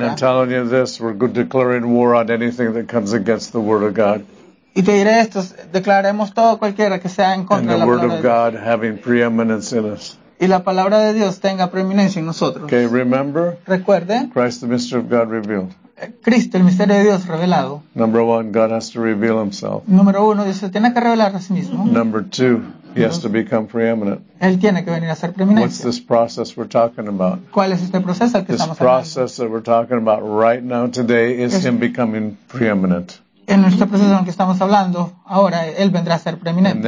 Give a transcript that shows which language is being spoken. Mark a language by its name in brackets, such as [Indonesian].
[English] And I'm telling you this. We're declaring war on anything that comes against the word of God. [Spanish] Y te diré esto, declaremos todo cualquiera que sea en contra de la palabra [English] of God having preeminence in us. [Spanish] Y la palabra de Dios tenga preeminencia en nosotros. [English] Okay, remember, [Spanish] recuerde, [English] Christ, the mystery of God revealed. [Spanish] Cristo, el misterio de Dios revelado. [English] Number one, God has to reveal himself. [Spanish] Número uno, Dios se tiene que revelar a sí mismo. [English] Number two, he has to become preeminent. [Spanish] Él tiene que venir a ser preeminente. [English] What's this process we're talking about? [Spanish] ¿Cuál es este proceso al que [English] this [Spanish] estamos [English] process That we're talking about right now today is him becoming preeminent. [Spanish] En este proceso en el que estamos hablando, ahora él vendrá a ser preeminente.